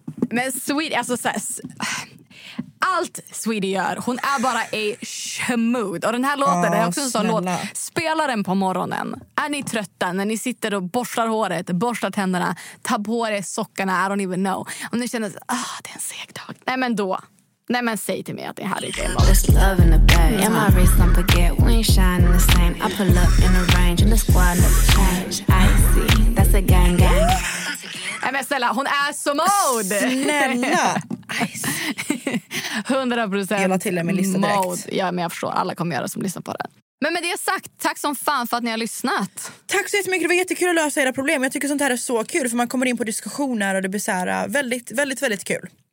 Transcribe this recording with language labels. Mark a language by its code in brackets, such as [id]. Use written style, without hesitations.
[sv] Men sweet, alltså så här, allt Sweetie gör, hon är bara i schmood. Och den här låten är också en sån låt. Spela den på morgonen. Är ni trötta när ni sitter och borstar håret, borstar tänderna, tar på er sockarna, [en] I don't even know. [sv] Om ni känner att det är en seg dag. Nej, men då. Nej, men säg till mig att det här är demo. [en] Just love in the bag. Am I raised on baguette? We ain't shining the same. I pull up in a range and the squad never change. I see. That's a gang gang. [sv] Nej, men snälla, hon är så mode. Snälla. [en] I see. 100% [sv] dela till er min lista direkt. Ja, men jag förstår, alla kommer göra som lyssnar på det. Men med det sagt, tack som fan för att ni har lyssnat. Tack så jättemycket, det var jättekul att lösa era problem. Jag tycker sånt här är så kul, för man kommer in på diskussioner och det blir så här väldigt, väldigt, väldigt kul.